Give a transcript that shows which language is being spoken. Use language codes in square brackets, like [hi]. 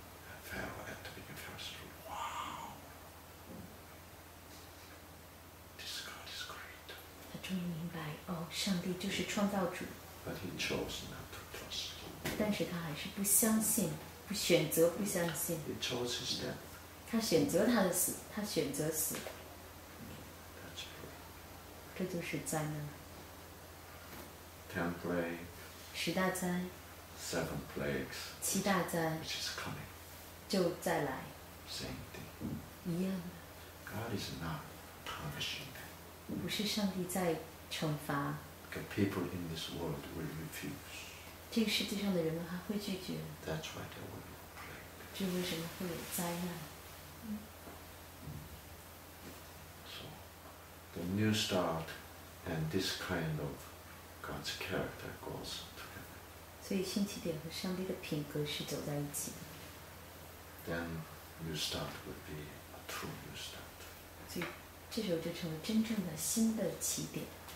[en] And Pharaoh at the beginning, Pharaoh said, wow. This God is great. [zh] 他终于明白, 哦, 上帝就是创造主。 [en] But he chose not to trust. [zh] 但是他还是不相信, 不选择不相信. [en] He chose his death. [zh] 他选择他的死, 他选择死. [en] That's right. [zh] 这就是灾难. [en] 10 plagues. [zh] 十大灾. [en] 7 plagues. [zh] 七大灾. [en] Which is coming. [zh] 就再来. [en] Same thing. [zh] 一样的. [en] God is not punishing them. [zh] 不是上帝在惩罚. [en] The people in this world will refuse. [zh] 这个世界上的人们还会拒绝. [en] That's why there will be plague. [zh] 这为什么会有灾难? [en] So, the new start and this kind of God's character goes together. [zh] 所以新起点和上帝的品格是走在一起的. [en] Then, new start will be a true new start. [zh] 所以这时候就成了真正的新的起点.